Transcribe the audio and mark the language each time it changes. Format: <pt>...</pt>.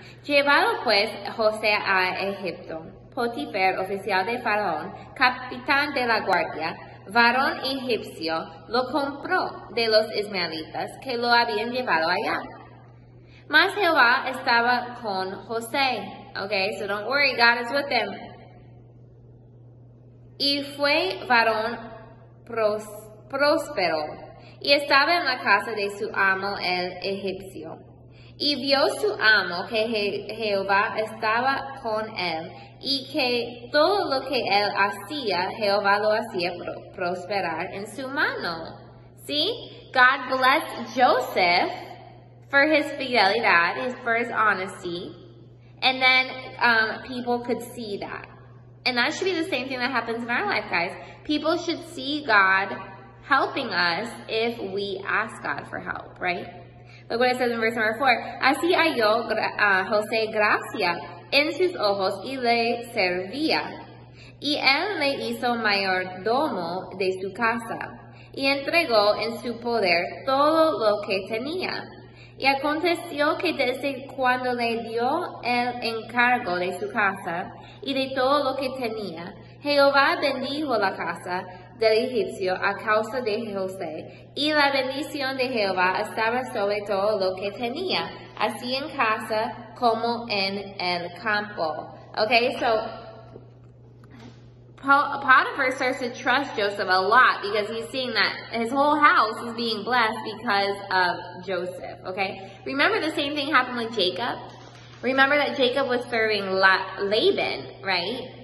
<es>Llevado pues José a Egipto, Potifar, oficial de Faraón, capitán de la guardia, varón egipcio, lo compró de los ismaelitas que lo habían llevado allá. Mas Jehová estaba con José.</es> <en>Okay, so don't worry, God is with him.</en> <es>Y fue varón próspero. Y estaba en la casa de su amo el egipcio. Y vio su amo que Jehová estaba con él, y que todo lo que él hacía, Jehová lo hacía prosperar en su mano.</es> <en>See? God blessed Joseph for his</en> <es>fidelidad,</es> <en>for his honesty. And then people could see that. And that should be the same thing that happens in our life, guys. People should see God helping us if we ask God for help, right? Look what it says in verse number 4.</en> <es>Así halló José gracia en sus ojos y le servía. Y él le hizo mayordomo de su casa. Y entregó en su poder todo lo que tenía. Y aconteció que desde cuando le dio el encargo de su casa y de todo lo que tenía, Jehová bendijo la casa del egipcio a causa de José, y la bendición de Jehová estaba sobre todo lo que tenía, así en casa como en el campo.</es> <en>Okay, so Potiphar starts to trust Joseph a lot because he's seeing that his whole house is being blessed because of Joseph. Okay, remember the same thing happened with Jacob. Remember that Jacob was serving Laban, right?</en>